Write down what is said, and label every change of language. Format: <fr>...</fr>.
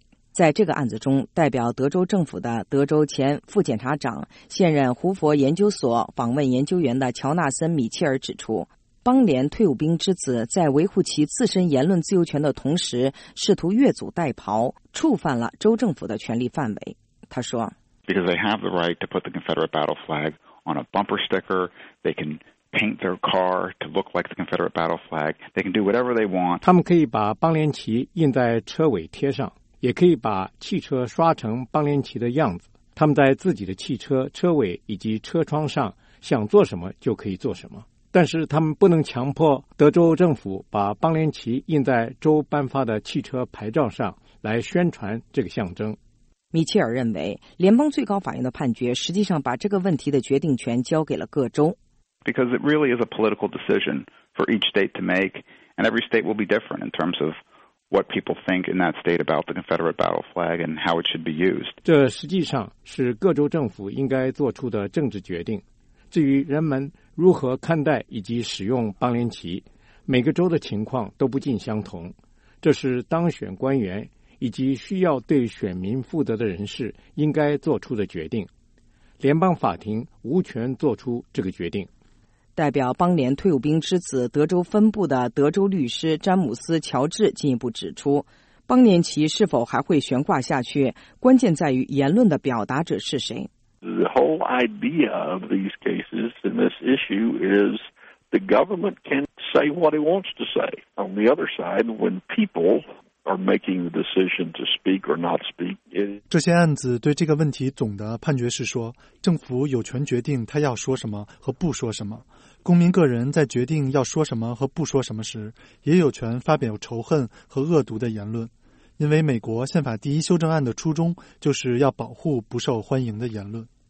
<zh>在这个案子中，代表德州政府的德州前副检察长、现任胡佛研究所访问研究员的乔纳森·米切尔指出，邦联退伍兵之子在维护其自身言论自由权的同时试图越俎代庖，触犯了州政府的权力范围。他说，</zh> <en>Because they have the right to put the Confederate battle flag on a bumper sticker, they can paint their car to look like the Confederate battle flag, they can do whatever they want.</en> <zh>他们可以把邦联旗印在车尾贴上，也可以把汽车刷成邦联旗的样子，他们在自己的汽车车尾以及车窗上想做什么就可以做什么。但是他们不能强迫德州政府把邦联旗印在州颁发的汽车牌照上来宣传这个象征。米切尔认为，联邦最高法院的判决实际上把这个问题的决定权交给了各州。</zh> <en>Because it really is a political decision for each state to make, and every state will be different in terms of what people think in that state about the Confederate battle flag and how it should be used.</en> <zh>这实际上是各州政府应该做出的政治决定。至于人们如何看待以及使用邦联旗，每个州的情况都不尽相同，这是当选官员以及需要对选民负责的人士应该做出的决定，联邦法庭无权做出这个决定。代表邦联退伍兵之子德州分部的德州律师詹姆斯·乔治进一步指出，邦联旗是否还会悬挂下去，关键在于言论的表达者是谁。</zh> <en>The whole idea of these cases and this issue is the government can say what it wants to say. On the other side, when people are making the decision to speak or not speak,</en> <zh>这些案子对这个问题总的判决是说，政府有权决定他要说什么和不说什么。公民个人在决定要说什么和不说什么时，也有权发表仇恨和恶毒的言论。因为美国宪法第一修正案的初衷就是要保护不受欢迎的言论。</zh>